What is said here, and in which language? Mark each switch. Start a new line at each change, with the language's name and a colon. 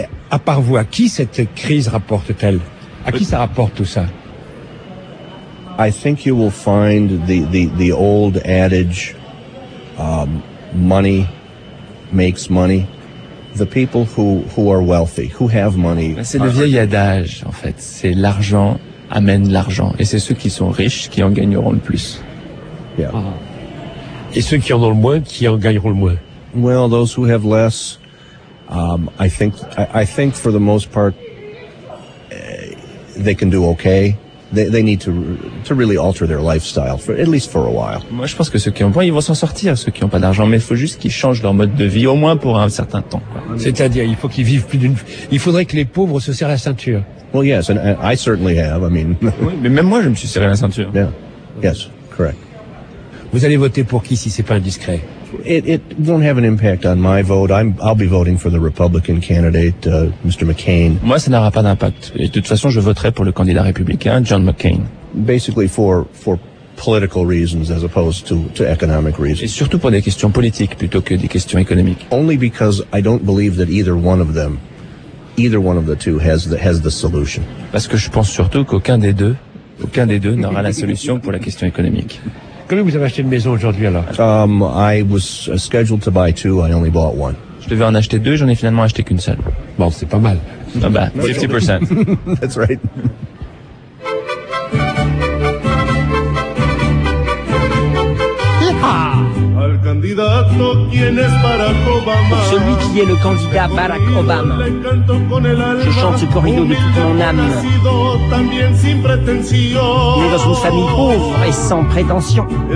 French: À part vous, à qui cette crise rapporte-t-elle? À qui ça rapporte tout ça?
English: I think you will find the old adage, money makes money. The people who are wealthy, who have money.
French: C'est le vieil adage, en fait. C'est l'argent amène l'argent. Et c'est ceux qui sont riches qui en gagneront le plus.
English: Yeah. Oh.
French: Et ceux qui en ont le moins qui en gagneront le moins.
English: Well, those who have less, I think for the most part, they can do okay. They need to really alter their lifestyle for at least for a while.
French: Moi, je pense que ceux qui ont pas, ils vont s'en sortir. Ceux qui ont pas d'argent, mais il faut juste qu'ils changent leur mode de vie au moins pour un certain temps. C'est-à-dire, il faut qu'ils vivent plus d'une. Il faudrait que les pauvres se serrent la ceinture.
English: Well, yes, and I certainly have. I mean.
French: Oui, mais même moi, je me suis serré la ceinture.
English: Yeah. Yes, correct.
French: Vous allez voter pour qui si c'est pas indiscret?
English: It won't have an impact on my vote. I'll be voting for the Republican candidate, Mr. McCain.
French: Moi, ça n'aura pas d'impact. Et de toute façon, je voterai pour le candidat républicain, John McCain.
English: Basically, for political reasons as opposed to economic reasons.
French: Et surtout pour des questions politiques plutôt que des questions économiques.
English: Only because I don't believe that either one of the two has the solution.
French: Parce que je pense surtout qu'aucun des deux n'aura la solution pour la question économique. Combien vous avez acheté de maisons aujourd'hui alors?
English: I was scheduled to buy two, I only bought one.
French: Je devais en acheter deux, j'en ai finalement acheté qu'une seule. Bon, c'est pas mal. Ah bah, 50%.
English: That's right.
Spanish: Al candidato, ¿quién es Barack Obama?
French: Celui qui est le candidat Barack Obama. Je chante ce corrido de toute mon âme. Né dans une famille pauvre et sans prétention.